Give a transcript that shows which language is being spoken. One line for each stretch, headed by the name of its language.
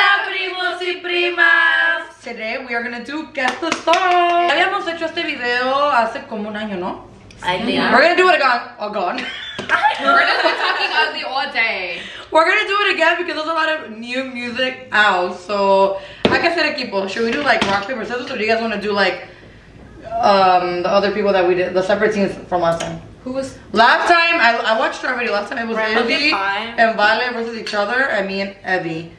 English: today we are gonna do guess the song.
Spanish: Habíamos hecho este video hace como un año, ¿no?
English: I think. We're gonna do it again. Oh God. We're gonna be talking ugly all day. We're gonna do it again because there's a lot of new music out. So,
Spanish: hay que hacer equipo.
English: Should we do like rock, paper, scissors, or do you guys wanna do like the other people that we did, the separate teams from last time? Who was? Last time, I watched our video. Last time it was ebbi and Vale versus each other, and me and ebbi.